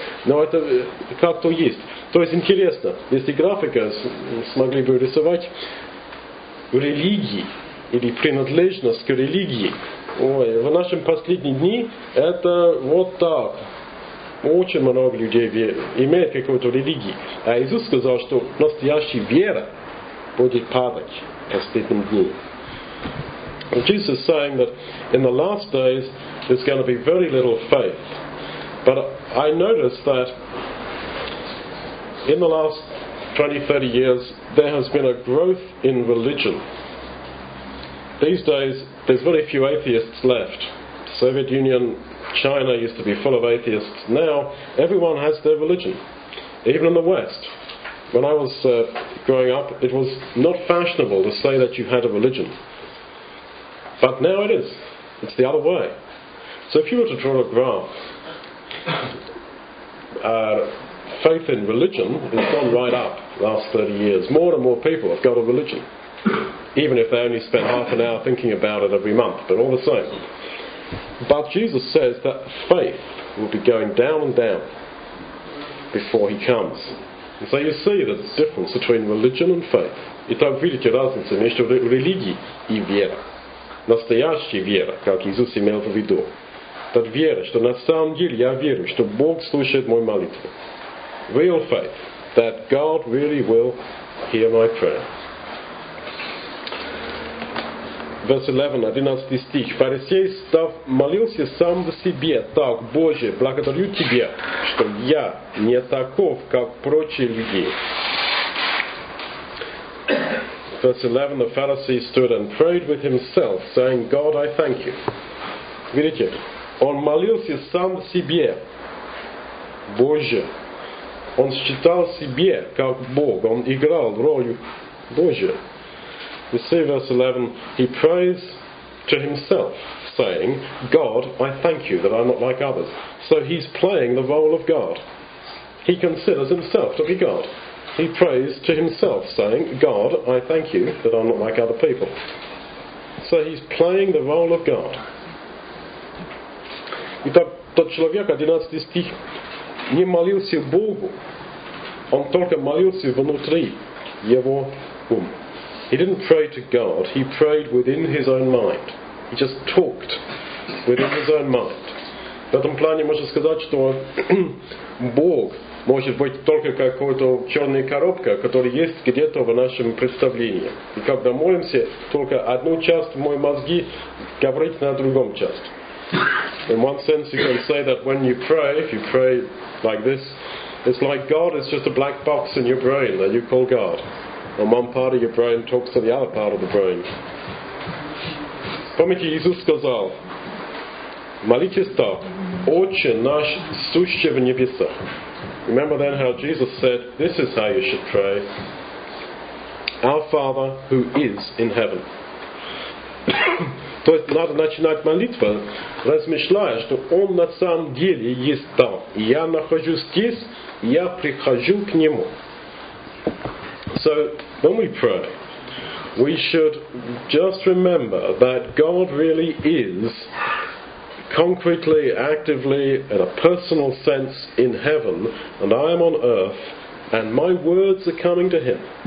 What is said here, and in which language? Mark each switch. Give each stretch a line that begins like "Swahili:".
Russian: Но это как-то есть. То есть интересно, если графика смогли бы рисовать религии или принадлежность к религии, ой, в наши последние дни это вот так. Очень много людей имеют какую-то религию. А Иисус сказал, что настоящая вера будет падать в последние дни.
English: Jesus is saying that in the last days there's going to be very little faith. But I noticed that in the last 20-30 years there has been a growth in religion. These days there's very few atheists left. Soviet Union, China used to be full of atheists. Now everyone has their religion, even in the West. When I was growing up, it was not fashionable to say that you had a religion. But now it is. It's the other way. So if you were to draw a graph, faith in religion has gone right up the last 30 years. More and more people have got a religion, even if they only spend half an hour thinking about it every month, but all the same. But Jesus says that faith will be going down and down before he comes. And so you see the difference between religion and faith.
Russian: И там видите разницу между религией и верой. Настоящая вера, как Иисус имел в виду. Та вера, что на самом деле я верю, что Бог слушает мою молитву.
English: Real faith, that God really will hear my prayer. Verse 11,
Russian: 11 стих. Фарисей, став, молился сам в себе. Так, Боже, благодарю Тебя, что я не таков, как прочие люди.
English: Verse 11, the Pharisee stood and prayed with himself, saying, God, I thank you.
Russian: Видите? Он молился сам себе. Боже. Он считал себе, как Бог. Он играл роль Божия.
English: You see, verse 11, he prays to himself, saying, God, I thank you that I'm not like others. So he's playing the role of God. He considers himself to be God. He prays to himself, saying, God, I thank you that I'm not like other people. So he's playing the role of God.
Russian: Итак, тот человек, 11 стих, не молился Богу. Он только молился внутри его ум.
English: He didn't pray to God, he prayed within his own mind. He just talked within his own mind.
Russian: В этом плане можно сказать, что Бог может быть только какой-то черная коробка, которая есть где-то в нашем представлении. И когда молимся, только одну часть моей мозги говорит на другом части.
English: In one sense, you can say that when you pray, if you pray like this, it's like God is just a black box in your brain that you call God. And one part of your brain talks to the other part of the brain.
Russian: Помните, Иисус сказал, молитесь так, Отче наш, сущий в небесах.
English: Remember then how Jesus said, this is how you should pray. Our Father who is in heaven.
Russian: То есть надо начинать молитву, размышляя, что Он на самом деле есть там. Я нахожусь здесь, я прихожу к Нему.
English: So, when we pray, we should just remember that God really is concretely, actively, in a personal sense, in heaven, and I am on earth, and my words are coming to Him.